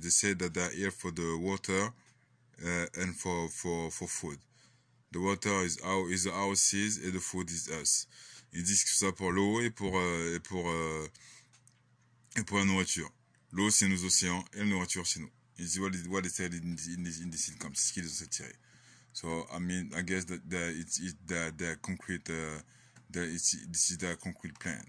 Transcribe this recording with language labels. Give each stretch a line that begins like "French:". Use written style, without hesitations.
English: They say that they are here for the water and for food. The water is our seas and the food is us.
French: Ils disent que ça pour l'eau et pour la nourriture. L'eau c'est nos océans et la nourriture c'est nous. Ils disent
English: what they said in this sitcom.
French: C'est ce qu'ils ont tiré.
English: So I mean I guess that it's the concrete plan.